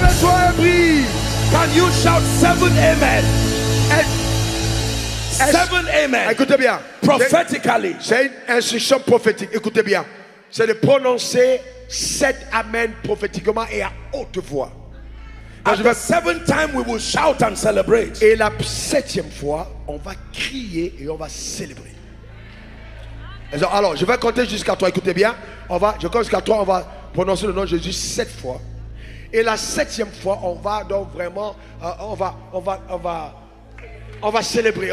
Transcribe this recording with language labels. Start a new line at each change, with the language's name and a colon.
French: Lève-toi et brille.
English: Can you shout seven amen? Seven amen.
French: Écoutez bien.
English: Prophetically.
French: C'est une instruction prophétique. Écoutez bien. C'est de prononcer sept amen prophétiquement et à haute voix.
English: And the seventh time we will shout and celebrate.
French: Et la septième fois, on va crier et on va célébrer. Alors, je vais compter jusqu'à toi. Écoutez bien. Je compte jusqu'à toi. On va prononcer le nom de Jésus sept fois. Et la septième fois, on va donc vraiment, on va célébrer.